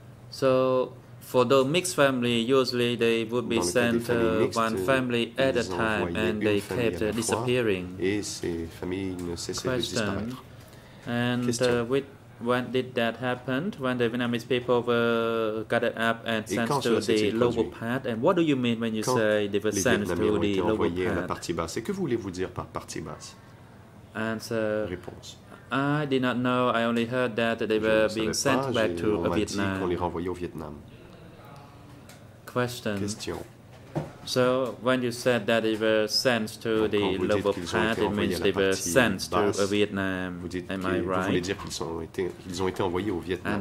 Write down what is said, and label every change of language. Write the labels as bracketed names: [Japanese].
[English] So, for the mixed family, usually they would be sent one family at a time and they kept disappearing. [French] Et ces familles ne cessaient de disparaître. [English] And when did that happen? When the Vietnamese people were gathered up and sent to the lower part? And what do you mean when you say they were sent to the lower part? [French] Et que voulez-vous dire par partie basse? [English] Answer. [French] Réponse. [English] I did not know. I only heard that they were being sent back to Vietnam. [French] On m'a dit qu'on les renvoyait au Vietnam. [English] Question. [French] Question. [English] So when you said that they were sent to the lower part, it means they were sent to Vietnam. [French] Vous dites [English] am I right? [French] Vous voulez dire qu'ils ont été envoyés au Vietnam?